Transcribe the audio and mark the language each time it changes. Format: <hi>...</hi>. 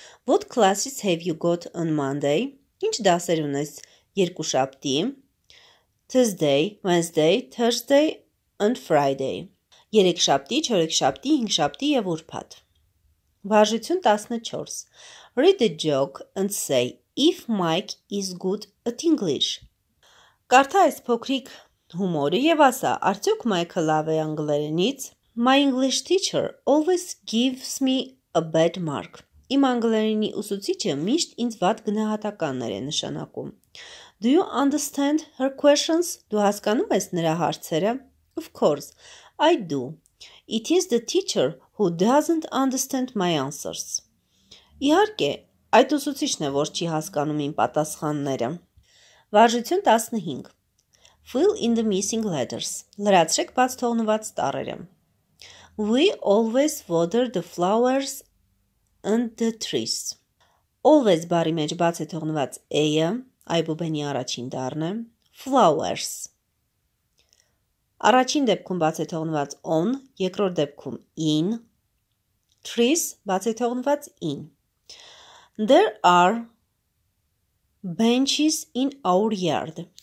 <en>What classes have you got on Monday?</en> <hy>Ինչ դասեր ունես երկուշաբթի?</hy> <en>Thursday, Wednesday, Thursday and Friday.</en> <hy>Երեքշաբթի, չորեքշաբթի, հինգշաբթի եւ ուրբաթ։ Վարժություն 14.</hy> <en>Read the joke and say if Mike is good at English.</en> <hy>Կարդա այս փոքրիկ հումորը եւ ասա, արդյոք Մայքը լավ է անգլերենից?</hy> <en>My English teacher always gives me a bad mark.</en> <hy>Իմ անգլերենի ուսուցիչը միշտ ինձ վատ գնահատականներ է նշանակում.</hy> <en>Do you understand her questions?</en> <hy>Դու հասկանում ես նրա հարցերը?</hy> <en>Of course, I do. It is the teacher who doesn't understand my answers.</en> <hy>Իհարկե, այդ ուսուցիչն է, որ չի հասկանում իմ պատասխանները։ Վարժություն 15.</hy> <en>Fill in the missing letters.</en> <hy>Լրացրեք բաց թողնված տառերը.</hy> <en>We always water the flowers and the trees.</en> <hy>Always բառի մեջ բաց է թողնված a-ը, այբուբենի առաջին դառն է, flowers. Առաջին դեպքում բաց է թողնված on, երկրորդ դեպքում in, trees բաց է թողնված in.</hy> <en>There are benches in our yard.</en>